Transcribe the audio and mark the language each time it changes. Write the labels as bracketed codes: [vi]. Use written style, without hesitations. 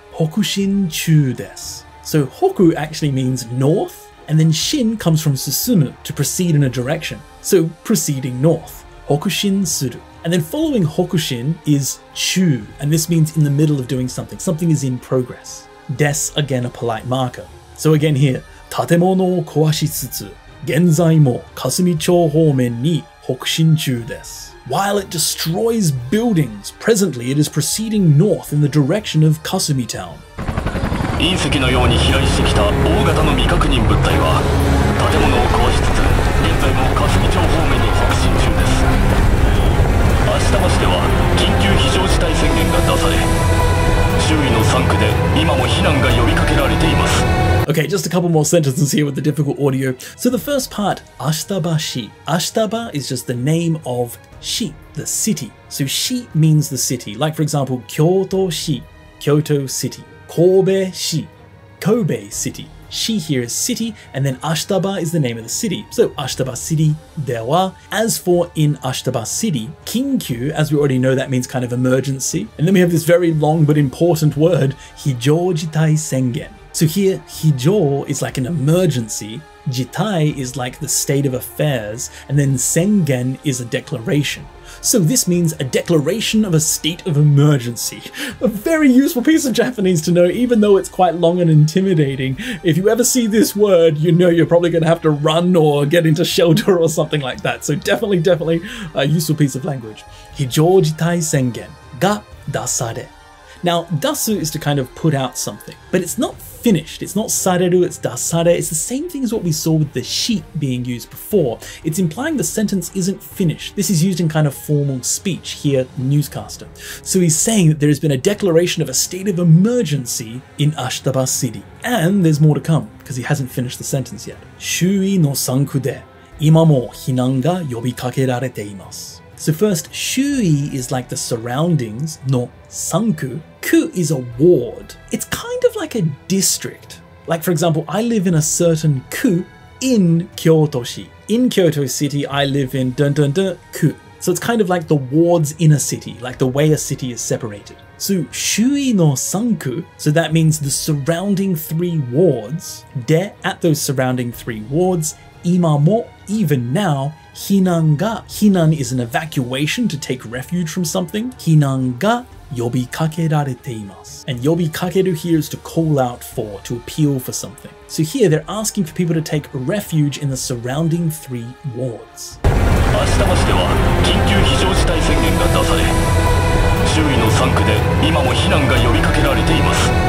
[ja] 北進中です. [en] So 北 actually means north, and then 進 comes from 進む, to proceed in a direction. So proceeding north, [ja] 北進する. [en] And then following 北進 is 中, and this means in the middle of doing something. Something is in progress. Des, again a polite marker. So again here, [ja] 建物を壊しつつ現在も霞町方面に北進中です。 [en] While it destroys buildings, presently it is proceeding north in the direction of Kasumi Town. [ja] 隕石のように飛来してきた大型の未確認物体は建物を壊しつつ現在も霞町方面に北進中です。明日橋では緊急非常事態宣言が出され、周囲の3区で今も避難が呼びかけられています。 [en] Okay, just a couple more sentences here with the difficult audio. So the first part, [ja] Ashitabashi. [en] Ashitaba is just the name of shi, the city. So shi means the city. Like for example, Kyoto shi, Kyoto city. Kobe shi, Kobe city. Shi here is city, and then Ashitaba is the name of the city. So Ashitaba city, dewa. As for in Ashitaba city, kinkyu, as we already know, that means kind of emergency. And then we have this very long but important word, [ja] Hijoujitai sengen. [en] So here, 非常 is like an emergency, 事態 is like the state of affairs, and then 宣言 is a declaration. So this means a declaration of a state of emergency. A very useful piece of Japanese to know, even though it's quite long and intimidating. If you ever see this word, you know you're probably going to have to run or get into shelter or something like that. So definitely, definitely a useful piece of language. [ja] 非常事態宣言が出され。 [en] Now, dasu is to kind of put out something, but it's not finished. It's not sareru, it's dasare. It's the same thing as what we saw with the shi being used before. It's implying the sentence isn't finished. This is used in kind of formal speech here, newscaster. So he's saying that there has been a declaration of a state of emergency in Ashitaba city. And there's more to come, because he hasn't finished the sentence yet. [ja] 周囲の三区で今も避難が呼びかけられています。 [en] So first, shūi is like the surroundings, no sanku. Ku is a ward. It's kind of like a district. Like for example, I live in a certain ku in Kyoto-shi. In Kyoto city, I live in dun dun dun ku. So it's kind of like the ward's inner city, like the way a city is separated. So, [ja] 周囲の3区, [en] so that means the surrounding three wards, de, at those surrounding three wards, 今も, even now, 避難が, 避難 is an evacuation to take refuge from something, [ja] 避難が呼びかけられています. [en] And 呼びかける here is to call out for, to appeal for something. So here, they're asking for people to take refuge in the surrounding three wards. [ja] 明日町では緊急非常事態宣言が出され、周囲の3区で今も避難が呼びかけられています。